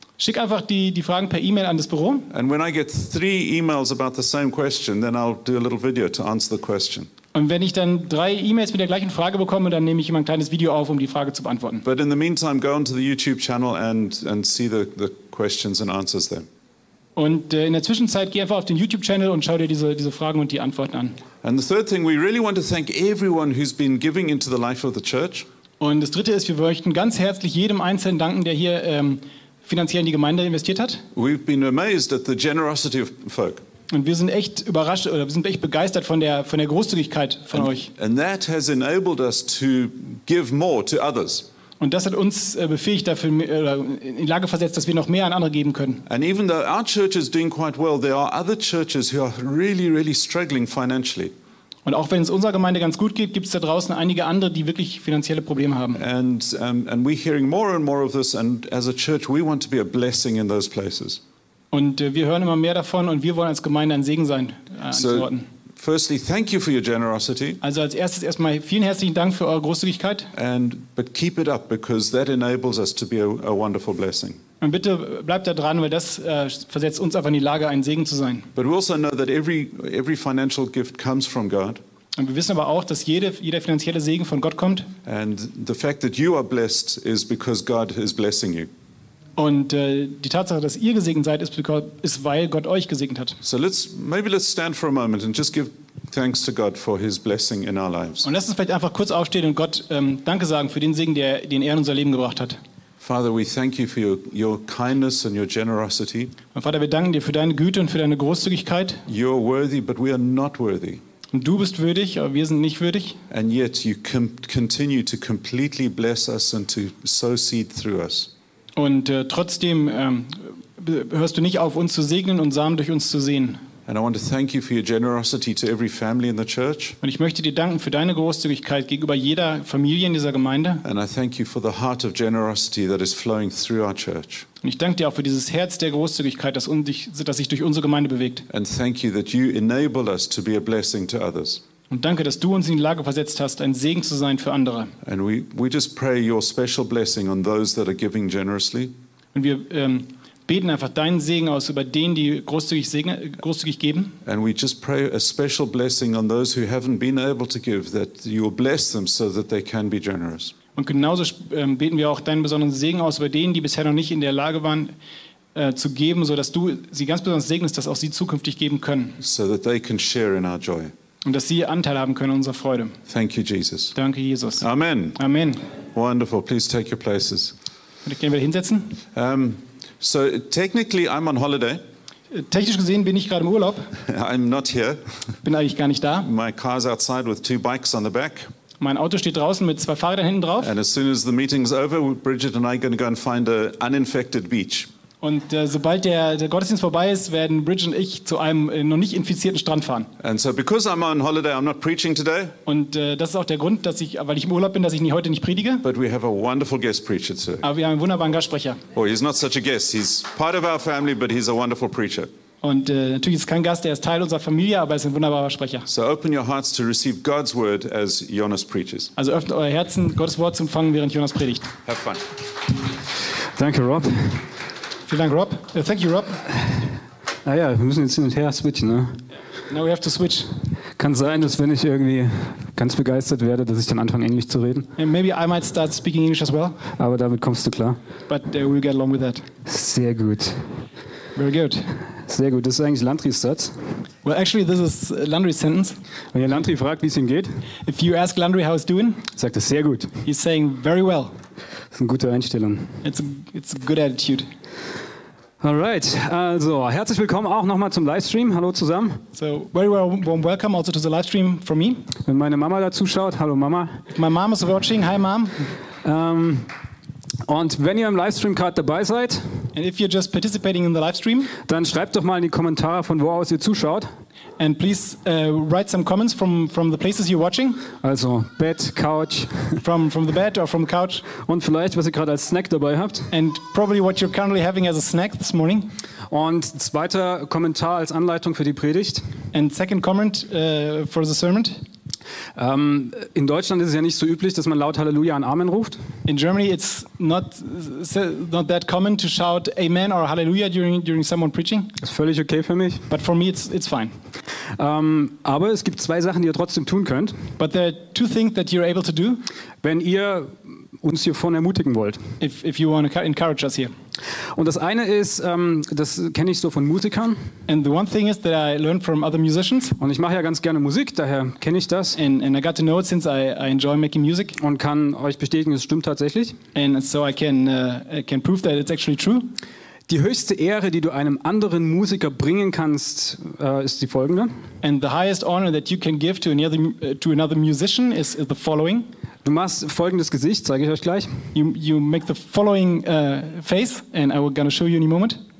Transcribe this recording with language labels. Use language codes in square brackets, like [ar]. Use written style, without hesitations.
[de] Schick einfach die Fragen per E-Mail an das Büro. [en] And when I get 3 emails about the same question, then I'll do a little video to answer the question. [de] Und wenn ich dann 3 E-Mails mit der gleichen Frage bekomme, dann nehme ich immer ein kleines Video auf, um die Frage zu beantworten. [en] But in the meantime, go onto the YouTube channel and see the questions and answers there. [de] Und in der Zwischenzeit geh einfach auf den YouTube-Channel und schau dir diese Fragen und die Antworten an. [en] And the third thing, we really want to thank everyone who's been giving into the life of the church. [de] Und das Dritte ist, wir möchten ganz herzlich jedem Einzelnen danken, der hier finanziell in die Gemeinde investiert hat. [en] We've been amazed at the generosity of folk. [de] Und wir sind echt überrascht oder wir sind echt begeistert von der Großzügigkeit von euch. [en] And that has enabled us to give more to others. [de] Und das hat uns befähigt dafür oder in Lage versetzt, dass wir noch mehr an andere geben können. [en] And even though our church is doing quite well, there are other churches who are really, really struggling financially. [de] Und auch wenn es unserer Gemeinde ganz gut geht, gibt es da draußen einige andere, die wirklich finanzielle Probleme haben. [en] And we're hearing more and more of this, and as a church, we want to be a blessing in those places. [de] Und wir hören immer mehr davon und wir wollen als Gemeinde ein Segen sein an diesen Orten. [en] Firstly, thank you for your generosity. [de] Also als erstes erstmal vielen herzlichen Dank für eure Großzügigkeit. [en] But keep it up, because that enables us to be a wonderful blessing. [de] Und bitte bleibt da dran, weil das versetzt uns einfach in die Lage, ein Segen zu sein. [en] But we also know that every financial gift comes from God. [de] Und wir wissen aber auch, dass jeder finanzielle Segen von Gott kommt. [en] And the fact that you are blessed is because God is blessing you. [de] Und die Tatsache, dass ihr gesegnet seid, ist weil Gott euch gesegnet hat. [en] So let's stand for a moment and just give thanks to God for his blessing in our lives. [de] Und lasst uns vielleicht einfach kurz aufstehen und Gott Danke sagen für den Segen, den er in unser Leben gebracht hat. [en] Father, we thank you for your kindness and your generosity. [de] Und Vater, wir danken dir für deine Güte und für deine Großzügigkeit. [en] You're worthy, but we are not worthy. [de] Und du bist würdig, aber wir sind nicht würdig. [en] And yet you continue to completely bless us and to sow seed through us. [de] Und trotzdem hörst du nicht auf, uns zu segnen und Samen durch uns zu sehen. [en] And I want to thank you for your generosity to every family in the church. [de] Und ich möchte dir danken für deine Großzügigkeit gegenüber jeder Familie in dieser Gemeinde. [en] And I thank you for the heart of generosity that is flowing through our church. [de] Und ich danke dir auch für dieses Herz der Großzügigkeit, das sich durch unsere Gemeinde bewegt. [en] And thank you that you enable us to be a blessing to others. [de] Und danke, dass du uns in die Lage versetzt hast, ein Segen zu sein für andere. [en] And we just pray your special blessing on those that are giving generously. [de] Und wir beten einfach deinen Segen aus über denen, die großzügig geben. [en] And we just pray a special blessing on those who haven't been able to give, that you will bless them so that they can be generous. [de] Und genauso beten wir auch deinen besonderen Segen aus über denen, die bisher noch nicht in der Lage waren, zu geben, so dass du sie ganz besonders segnest, dass auch sie zukünftig geben können. [en] So that they can share in our joy. [de] Und dass Sie Anteil haben können an unserer Freude. [en] Thank you, Jesus. [de] Danke, Jesus. [en] Amen. [de] Amen. [en] Wonderful. Please take your places. [de] Kann ich gerne wieder hinsetzen? [en] So technically I'm on holiday. [de] Technisch gesehen bin ich gerade im Urlaub. [en] I'm not here. [de] Bin eigentlich gar nicht da. [en] My car's outside with 2 bikes on the back. [de] Mein Auto steht draußen mit 2 Fahrrädern hinten drauf. [en] And as soon as the meeting's over, Bridget and I are going to go and find an uninfected beach. [de] Und sobald der Gottesdienst vorbei ist, werden Bridget und ich zu einem noch nicht infizierten Strand fahren. [en] And so because I'm on holiday, I'm not preaching today. [de] Und das ist auch der Grund, weil ich im Urlaub bin, dass ich heute nicht predige. [en] But we have a wonderful guest preacher today. [de] Aber wir haben einen wunderbaren Gastsprecher. [en] Oh, he's not such a guest. He's part of our family, but he's a wonderful preacher. [de] Und natürlich ist kein Gast, er ist Teil unserer Familie, aber er ist ein wunderbarer Sprecher. [en] So open your hearts to receive God's word as Jonas preaches. [de] Also öffnet euer Herzen, Gottes Wort zu empfangen, während Jonas predigt. [en] Have fun. [de] Danke, Rob. Vielen Dank, Rob. [en] Thank you, Rob. [de] Naja, wir müssen jetzt hin und her switchen, ne? [en] Now we have to switch. [de] Kann sein, dass wenn ich irgendwie ganz begeistert werde, dass ich dann anfange, Englisch zu reden. [en] And maybe I might start speaking English as well. [de] Aber damit kommst du klar. [en] But we'll get along with that. [de] Sehr gut. [en] Very good. [de] Sehr gut. Das ist eigentlich Landrys Satz. [en] Well, actually, this is Landry's sentence. [de] Wenn ihr Landry fragt, wie es ihm geht. [en] If you ask Landry how he's doing. [de] Sagt er sehr gut. [en] He's saying very well. [de] Das ist eine gute Einstellung. [en] It's a good attitude. [de] Alright, also herzlich willkommen auch nochmal zum Livestream. Hallo zusammen. [en] So, very warm welcome also to the livestream from me. [de] Wenn meine Mama da zuschaut, hallo Mama. [en] If my mom is watching, hi Mom. [de] Und wenn ihr im Livestream gerade dabei seid, [en] and if you're just participating in the live stream, [de] dann schreibt doch mal in die Kommentare, von wo aus ihr zuschaut. [en] And please write some comments from the places you're watching. [de] Also Bett, Couch. [en] From the bed or from the couch. [de] Und vielleicht, was ihr gerade als Snack dabei habt. [en] And probably what you're currently having as a snack this morning. [de] Und zweiter Kommentar als Anleitung für die Predigt. [en] And second comment for the sermon. [de] In Deutschland ist es ja nicht so üblich, dass man laut Halleluja und Amen ruft. [en] In Germany it's not that common to shout Amen or Hallelujah during someone preaching. [de] Ist völlig okay für mich. [en] But for me it's fine. [de] Aber es gibt zwei Sachen, die ihr trotzdem tun könnt. [en] But there are two things that you're able to do. [de] Wenn ihr uns hier vorne ermutigen wollt. [en] If you want to encourage us here. [de] Und das eine ist, das kenne ich so von Musikern. [en] And the one thing is that I learned from other musicians. [de] Und ich mache ja ganz gerne Musik, daher kenne ich das. [en] And I got to know it since I enjoy making music. [de] Und kann euch bestätigen, es stimmt tatsächlich. [en] And so I can prove that it's actually true. [de] Die höchste Ehre, die du einem anderen Musiker bringen kannst, ist die folgende. [en] And the highest honor that you can give to another musician is the following. [de] Du machst folgendes Gesicht, zeige ich euch gleich. [en] You make the following face, and I'm gonna show you in a moment.